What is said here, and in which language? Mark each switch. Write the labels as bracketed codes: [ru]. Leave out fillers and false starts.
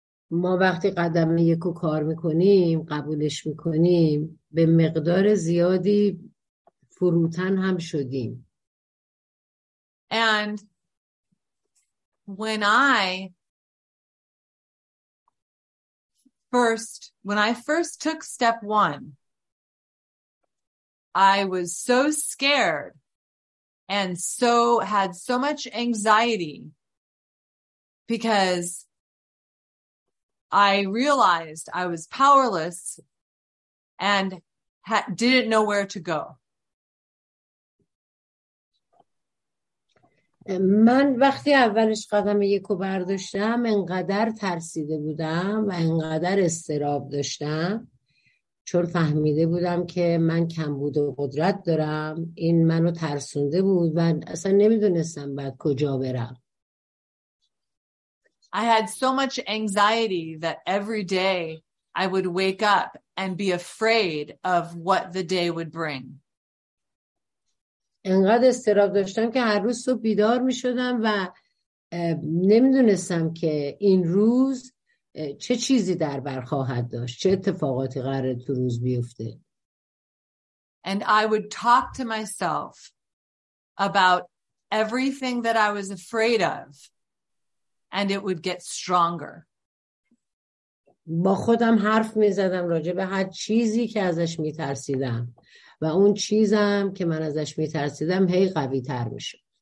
[fa] ما وقتی قدم یکو کار میکنیم، قبولش میکنیم، به مقدار زیادی فروتن هم شدیم. [en] And when I first took step one, I was so scared and so had so much anxiety because I realized I was powerless and didn't know where to go. [fa] من وقتی اولش قدم یکو برداشتم انقدر ترسیده بودم و انقدر استراب داشتم، چون فهمیده بودم که من کمبود و قدرت دارم، این منو ترسونده بود و اصلا نمیدونستم بعد کجا برم. [en] I had so much anxiety that every day I would wake up and be afraid of what the day would bring. [fa] انقدر استراب داشتم که هر روز صبح بیدار می شدم و نمی دونستم که این روز چه چیزی در بر خواهد داشت، چه اتفاقاتی قراره تو روز بیفته. [en] And I would talk to myself about everything that I was afraid of and it would get stronger. [fa] با خودم حرف می زدم راجع به هر چیزی که ازش می ترسیدم و اون چیزم که من ازش میترسیدم هی قوی تر میشد.